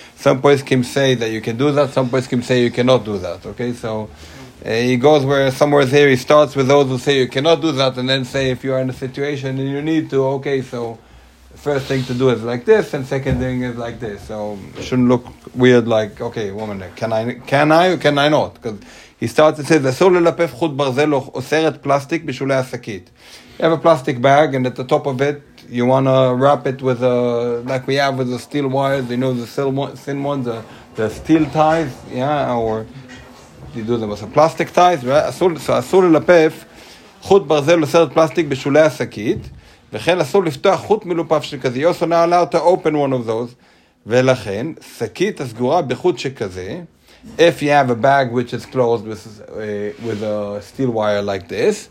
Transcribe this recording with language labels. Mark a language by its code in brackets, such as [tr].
[en] Some poiskim say that you can do that, some poiskim say you cannot do that, okay? So he goes somewhere here, he starts with those who say you cannot do that, and then say if you are in a situation and you need to, okay, so... First thing to do is like this, and second thing is like this. So it shouldn't look weird, like, okay, woman, can I or can I not? Because he starts to say, [he] אסור ללפף חוט ברזל או סרט פלסטיק בשולי עסקית. [en] You have a plastic bag, and at the top of it, you want to wrap it with like we have with the steel wires, you know, the thin ones, the steel ties, yeah, or you do them with the plastic ties, right? [he] So אסור ללפף חוט ברזל או סרט פלסטיק בשולי עסקית, וכן אסור לפתוח חוט מלופף שכזה. [en] You also not allowed to open one of those. [he] ולכן, שקית הסגורה בחוט שכזה, [en] if you have a bag which is closed with a steel wire like this.